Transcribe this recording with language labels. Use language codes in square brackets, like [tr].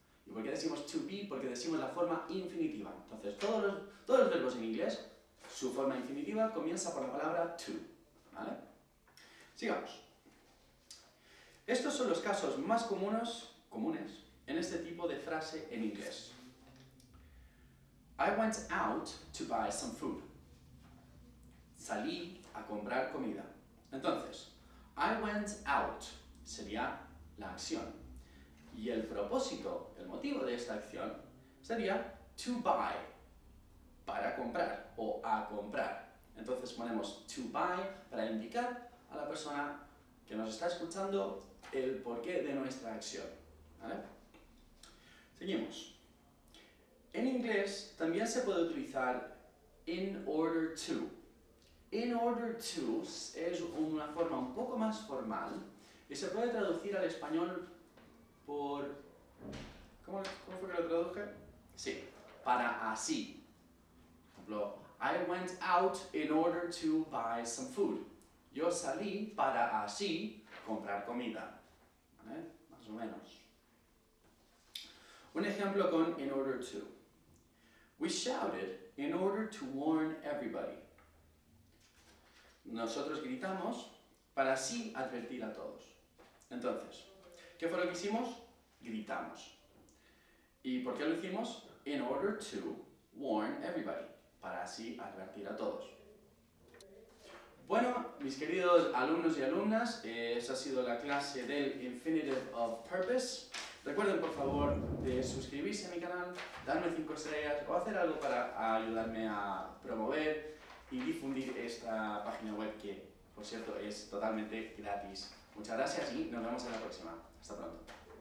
[es] ¿Y por qué decimos to be? Porque decimos la forma infinitiva. Entonces, todos los verbos en inglés, su forma infinitiva comienza por la palabra to. ¿Vale? Sigamos. Estos son los casos más comunes en este tipo de frase en inglés. [en] I went out to buy some food. [es] Salí a comprar comida. Entonces, [en] I went out [es] sería la acción. Y el propósito, el motivo de esta acción, sería [en] to buy, [es] para comprar o a comprar. Entonces ponemos [en] to buy [es] para indicar a la persona que nos está escuchando el porqué de nuestra acción. ¿Vale? Seguimos. En inglés también se puede utilizar [en] in order to. In order to [es] es una forma un poco más formal y se puede traducir al español por... ¿Cómo fue que lo traduje? Sí, para así. Por ejemplo, [en] I went out in order to buy some food. [es] Yo salí para así comprar comida. ¿Vale? Más o menos. Un ejemplo con [en] in order to. We shouted in order to warn everybody. [es] Nosotros gritamos para así advertir a todos. Entonces, ¿qué fue lo que hicimos? Gritamos. ¿Y por qué lo hicimos? [en] In order to warn everybody. [es] Para así advertir a todos. Bueno, mis queridos alumnos y alumnas, esa ha sido la clase del Infinitive of Purpose. Recuerden, por favor, de suscribirse a mi canal, darme 5 estrellas o hacer algo para ayudarme a promover y difundir esta página web que, por cierto, es totalmente gratis. Muchas gracias y nos vemos en la próxima. Hasta pronto.